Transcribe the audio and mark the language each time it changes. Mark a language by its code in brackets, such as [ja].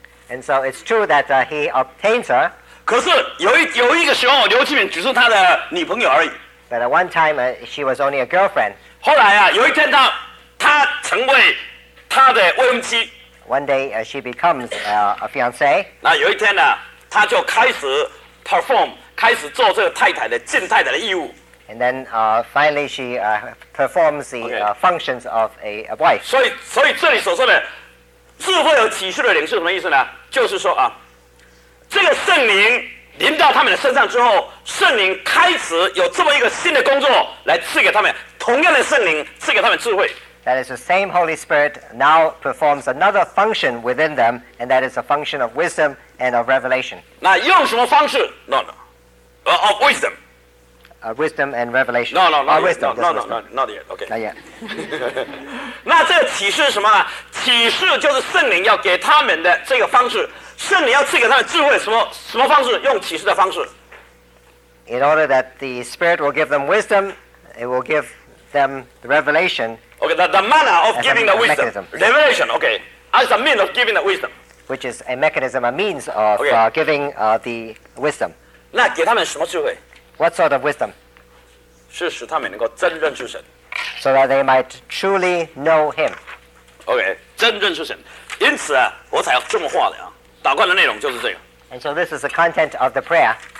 [en] And so it's true that he obtains her. [zh] 可是有一个时候，刘金美只是他的女朋友而已。 [en] But at one time, she was only a girlfriend. [zh] 后来啊，有一天他成为他的未婚妻。 [en] One day, she becomes a fiancé. [zh] 那有一天呢？他就开始 perform， 开始做这个太太的尽太太的义务。 [en] And then, finally, she performs the functions of a wife. [zh] 所以这里所说的智慧和启示的灵是什么意思呢？就是说啊，这个圣灵临到他们的身上之后，圣灵开始有这么一个新的工作来赐给他们，同样的圣灵赐给他们智慧。 [en] That is the same Holy Spirit now performs another function within them, and that is a function of wisdom. And of revelation. [zh] 那用什么方式 ？ [en] No, no. Of wisdom. wisdom and revelation. No, no, not wisdom, yet. No, not yet. Okay. Not yet. [zh] 那这启示是什么呢？启示就是圣灵要给他们的这个方式。圣灵要赐给他们智慧，什么方式？用启示的方式。 [en] In order that the Spirit will give them wisdom, it will give them the revelation. Okay, the manner of giving the wisdom. Mechanism. Revelation, okay. As a means of giving the wisdom. Which is a mechanism, a means of giving the wisdom. [zh] 那给他们什么智慧? [en] What sort of wisdom? [zh] 是使他们能够真认识神。 [en] So that they might truly know him. [zh] Okay, 真认识神。因此我才要重话了啊，祷告的内容就是这个。 [en] And so this is the content of the prayer.